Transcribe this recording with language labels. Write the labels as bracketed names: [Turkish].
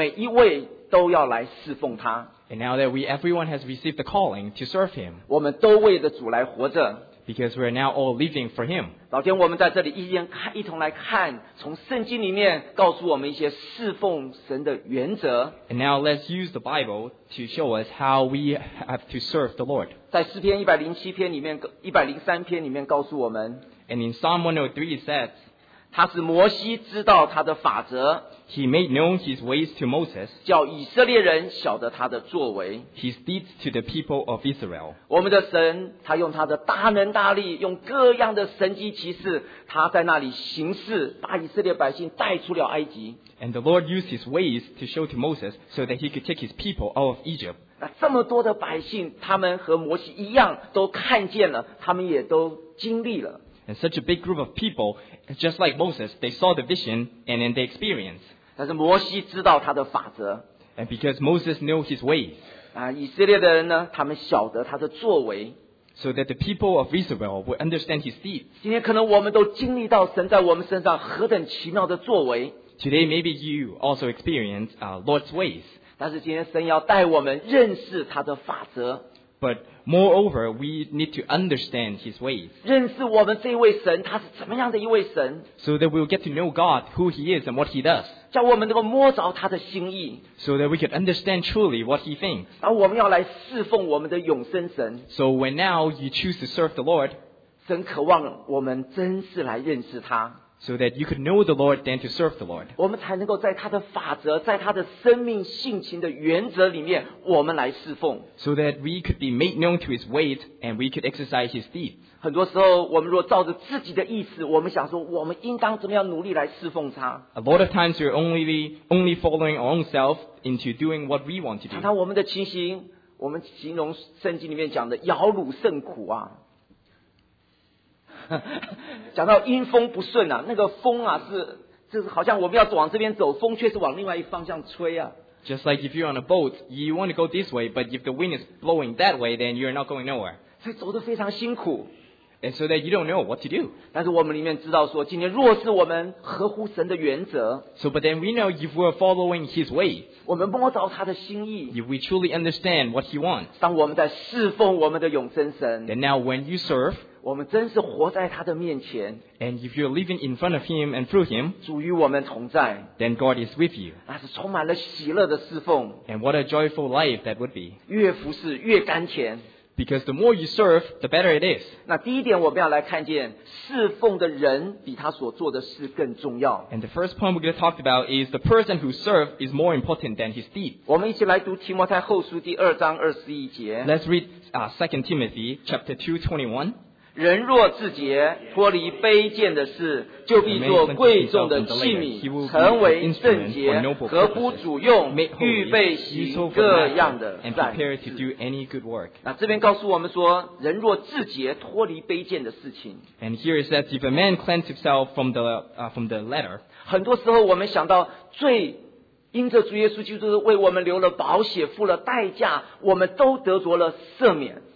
[Chinese] 今天我们认识到神呼召我们每一位都要来侍奉他, [English] and now that we everyone has received the calling to serve him, [Chinese] 我们都为着主来活着, [English] because we are now all living for him. [Chinese] 老天我们在这里一同来看从圣经里面告诉我们一些侍奉神的原则, [English] and now let's use the Bible to show us how we have to serve the Lord. [Chinese] 在诗篇107篇里面103篇里面告诉我们, [English] and in Psalm 103 it says, [Chinese] 他使摩西知道他的法则, [English] he made known his ways to Moses, [Chinese] 叫以色列人晓得他的作为, [English] his deeds to the people of Israel. [Chinese] 我们的神, 他用他的大能大力, 用各样的神迹奇事, 他在那里行事, 把以色列百姓带出了埃及, [English] and the Lord used his ways to show to Moses so that he could take his people out of Egypt. [Chinese] 那这么多的百姓, 他们和摩西一样, 都看见了, 他们也都经历了, [English] and such a big group of people, just like Moses, they saw the vision and then they experienced. [Chinese] 但是摩西知道他的法则, [English] and because Moses knew his ways, [Chinese] 以色列的人呢, 他们晓得他的作为, [English] so that the people of Israel would understand his deeds. [Chinese] 今天可能我们都经历到神在我们身上何等奇妙的作为, [English] today maybe you also experience Lord's ways. [Chinese] 但是今天神要带我们认识他的法则, [English] but moreover, we need to understand his ways. [Chinese] 认识我们这一位神, 他是怎么样的一位神, [English] so that we'll get to know God, who he is and what he does. [Chinese] 叫我们能够摸着他的心意, [English] so that we could understand truly what he thinks. [Chinese] 然后我们要来侍奉我们的永生神, [English] so when now you choose to serve the Lord, [Chinese] 神渴望我们真是来认识他, [English] so that you could know the Lord than to serve the Lord. [Chinese] 我们才能够在他的法则, 在他的生命性情的原则里面, 我们来侍奉, [English] so that we could be made known to his ways and we could exercise his deeds. [Chinese] 很多时候我们若照着自己的意思, 我们想说我们应当怎么样努力来侍奉他, [English] a lot of times we're only following our own self into doing what we want to do. [Chinese] 常常我们的情形, 我们形容圣经里面讲的摇橹甚苦啊, 讲到阴风不顺啊, 那个风啊, 是好像我们要往这边走, 风却是往另外一方向吹啊, [English] just like if you're on a boat, you want to go this way, but if the wind is blowing that way, then you're not going nowhere. [Chinese] 所以走得非常辛苦, [English] and so that you don't know what to do. [Chinese] 但是我们里面知道说, 今天若是我们合乎神的原则, [English] so but then we know if we're following his way, [Chinese] 我们摸着他的心意, [English] if we truly understand what he wants, [Chinese] 当我们在侍奉我们的永生神, [English] then now when you serve, [Chinese] 我们真是活在他的面前, [English] and if you're living in front of him and through him, [Chinese] 主与我们同在, [English] then God is with you. [Chinese] 那是充满了喜乐的侍奉, [English] and what a joyful life that would be. [Chinese] 越服侍越甘甜, [English] because the more you serve, the better it is. [Chinese] 那第一点我们要来看见, 侍奉的人比他所做的事更重要, [English] and the first point we're going to talk about is the person who serves is more important than his deed. [Chinese] 我们一起来读提摩太后书第二章二十一节, [English] let's read 2 Timothy chapter 2:21. [Chinese] 人若自洁，脱离卑贱的事，就必做贵重的器皿，成为圣洁，合乎主用，预备行各样的善事。那这边告诉我们说，人若自洁，脱离卑贱的事情。 [English] And here it says, if a man cleanses himself from the letter, [Chinese] 很多时候我们想到罪。因着主耶稣基督为我们流了宝血，付了代价，我们都得着了赦免。